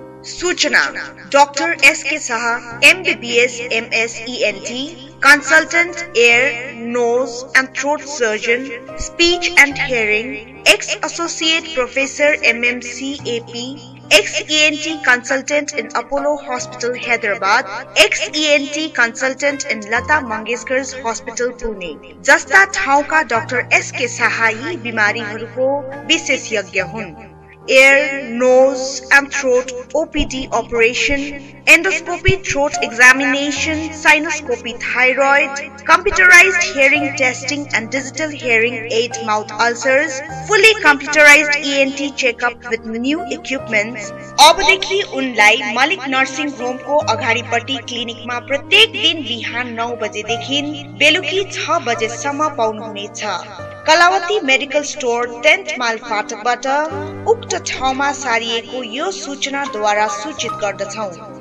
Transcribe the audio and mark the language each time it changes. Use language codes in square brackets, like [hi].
[en] सूचना doctor S K Shah MBBS MS ENT consultant ear nose and throat surgeon speech and hearing ex associate professor MMCAP Ex-ENT Consultant in Apollo Hospital, Hyderabad. Ex-ENT Consultant in Lata Mangeshkar's Hospital, Pune. [ne] Jasta Thauka Dr. S.K. Sahai Bimari Haruko Bisesyagya Hun. [en] ear, nose and throat OPD operation, endoscopy, throat examination, sinuscopy, thyroid, computerized hearing testing and digital hearing aid mouth ulcers, fully computerized ENT checkup with new equipments. [ne] अबदेखि उनलाई Malik nursing होमको अगाडिपट्टि क्लिनिकमा प्रत्येक दिन बिहान 9 बजेदेखि बेलुकी 6 बजेसम्म पाउनुहुनेछ। Kalavati medical store 10th mile फाटकबाट उक्त ठाउँमा सारिएको यो सूचना द्वारा सूचित गर्दछौँ।